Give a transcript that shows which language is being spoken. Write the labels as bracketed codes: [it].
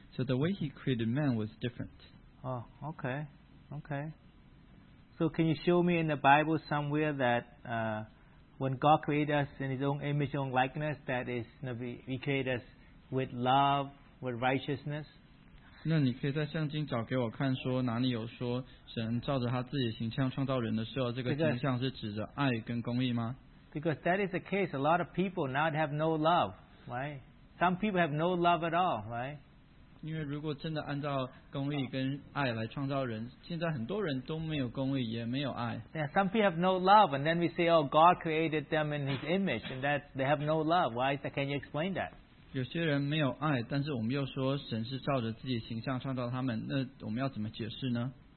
[en] So the way he created man was different. Oh, okay. So can you show me in the Bible somewhere that... When God created us in His own image, own likeness, that is, you know, He created us with love, with righteousness. [zh] 那你可以在圣经找给我看，说哪里有说神照着他自己的形象创造人的时候，这个形象是指着爱跟公义吗？ [en] Because that is the case. A lot of people now have no love, right? Some people have no love at all, right? [zh] 因为如果真的按照公义跟爱来创造人，现在很多人都没有公义，也没有爱。 [en] Yeah, some people have no love, and then we say, oh, God created them in His image, and that they have no love. Why is that? Can you explain that? [zh] 有些人没有爱，但是我们又说神是照着自己形象创造他们，那我们要怎么解释呢？